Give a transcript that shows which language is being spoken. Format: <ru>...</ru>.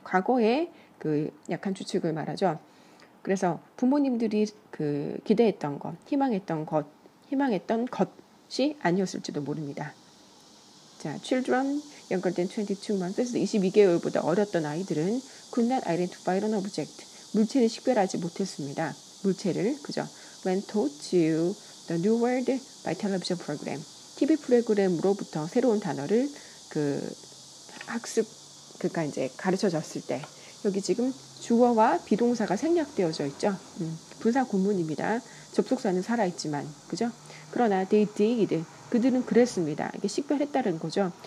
<ko>과거에 그 약한 추측을 말하죠. 그래서 부모님들이 그 기대했던 것, 희망했던 것이 아니었을지도 모릅니다.</ko> <en>자, children younger than 22 months,</en> <ko>22개월보다 어렸던 아이들은</ko> <en>could not identify an object.</en> <ko>물체를 식별하지 못했습니다. 물체를, 그죠?</ko> <en>When taught to the new world by television program.</en> <ko>TV 프로그램으로부터 새로운 단어를 그 학습, 그니까 이제 가르쳐 줬을 때. 여기 지금 주어와 비동사가 생략되어져 있죠? 분사 구문입니다. 접속사는 살아있지만, 그죠? 그러나</ko> <en>they did.</en> <ko>그들은 그랬습니다. 이게 식별했다는 거죠.</ko>